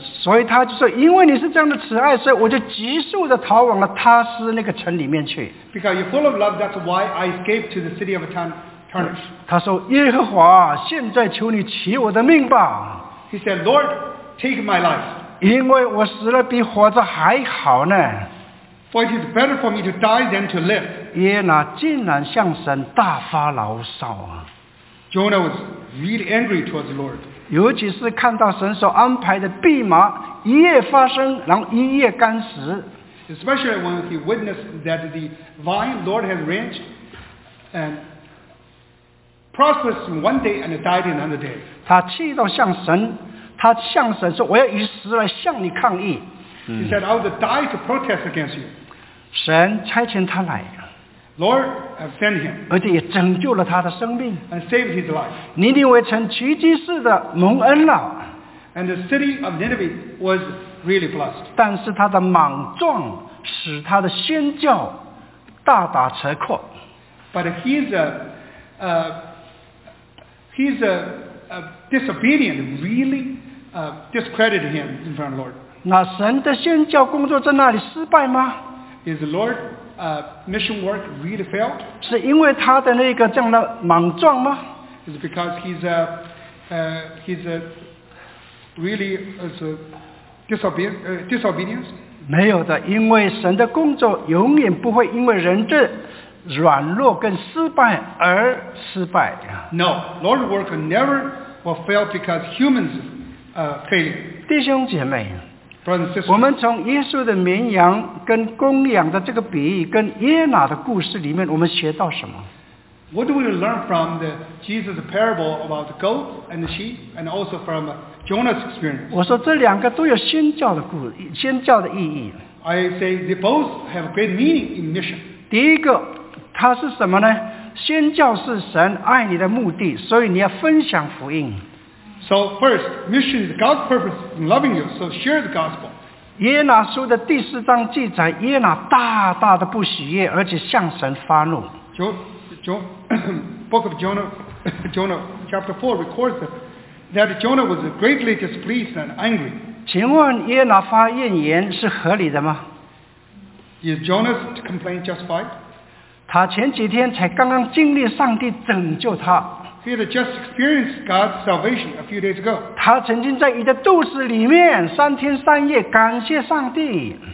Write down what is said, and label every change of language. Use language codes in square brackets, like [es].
[zh] 所以他就说，因为你是这样的慈爱，所以我就急速的逃往了他斯那个城里面去。 [en] Because you're full of love, that's why I escaped to the city of Tarshish. [zh] 他说，耶和华，现在求你取我的命吧。 [en] He said, Lord, take my life. [zh] 因为我死了比活着还好呢。 [en] For it is better for me to die than to live. [zh] 耶拿竟然向神大发牢骚啊。 [en] Jonah was really angry towards the Lord. [zh] 尤其是看到神所安排的蓖麻一夜发生，然后一夜干死。 [en] Especially when he witnessed that the vine Lord had arranged and prospered in one day and died in another day. [zh] 他气到向神，他向神说：“我要以实来向你抗议。” [en] He said, "I will die to protest against you." [zh] 神差遣他来。 [en] Lord, have sent him. [zh] 而且也拯救了他的生命。 [en] And saved his life. [zh] 尼尼微城奇迹似的蒙恩了。 [en] And the city of Nineveh was really blessed. [zh] 但是他的莽撞使他的宣教大打折扣。 [en] But his disobedience really discredited him in front of the Lord. [zh] 那神的宣教工作在那里失败吗？ [en] Is the Lord? Mission work really failed? [zh] 是因为他的那个这样的莽撞吗？ [en] Is because he's really disobedience? [zh] 没有的，因为神的工作永远不会因为人的软弱跟失败而失败。 [en] No, Lord's work never will fail because humans failing. [zh] 弟兄姐妹。 [en] Sister, [zh] 我们从耶稣的绵羊跟公羊的这个比喻，跟耶拿的故事里面，我们学到什么 [en] ？What do we learn from the Jesus parable about the goat and the sheep, and also from Jonah's experience？ [zh] 我说这两个都有宣教的故事，宣教的意义。 [en] I say they both have great meaning in mission。 [zh] 第一个，它是什么呢？宣教是神爱你的目的，所以你要分享福音。 [en] So first, mission is God's purpose in loving you, so share the gospel. [zh] 耶拿书的第四章记载，耶拿大大的不喜悦，而且向神发怒。 [en] Book of Jonah, chapter 4 records that Jonah was greatly displeased and angry. [zh] 请问耶拿发怨言是合理的吗？ [en] Is Jonah's complaint justified? [zh] 他前几天才刚刚经历上帝拯救他。 [en] He had just experienced God's salvation a few days ago. [zh] 他曾经在你的肚子里面三天三夜感谢上帝。